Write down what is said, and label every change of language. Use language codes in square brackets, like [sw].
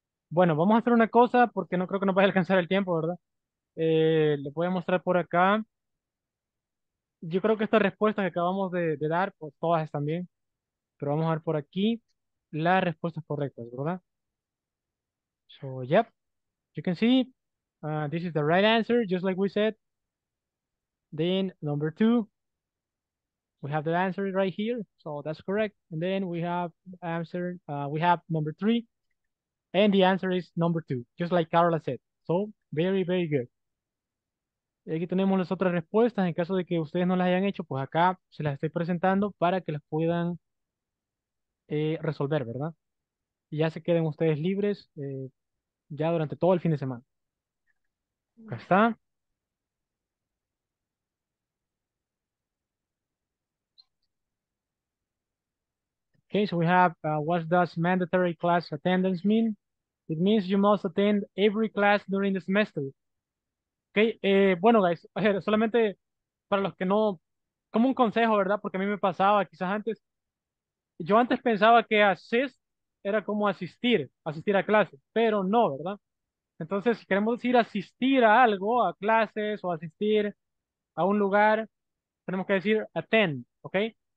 [es] Bueno, vamos a hacer una cosa porque no creo que nos vaya a alcanzar el tiempo, ¿verdad? Le voy a mostrar por acá. Yo creo que estas respuestas que acabamos de dar, pues todas están bien. Pero vamos a ver por aquí las respuestas correctas, ¿verdad? [en] So, yep. You can see, this is the right answer, just like we said. Then, number two. We have the answer right here. So, that's correct. And then we have answer, we have number three. And the answer is number two, just like Carla said. So, very, very good. [es] Y aquí tenemos las otras respuestas. En caso de que ustedes no las hayan hecho, pues acá se las estoy presentando para que las puedan resolver, ¿verdad? Y ya se queden ustedes libres ya durante todo el fin de semana. Acá está. [en] Okay, so we have, what does mandatory class attendance mean? It means you must attend every class during the semester. [es] Okay, bueno, guys, solamente para los que no, como un consejo, ¿verdad? Porque a mí me pasaba quizás antes, yo antes pensaba que assist era como asistir a clase, pero no, ¿verdad? Entonces, si queremos decir asistir a algo, a clases o asistir a un lugar, tenemos que decir attend, okay?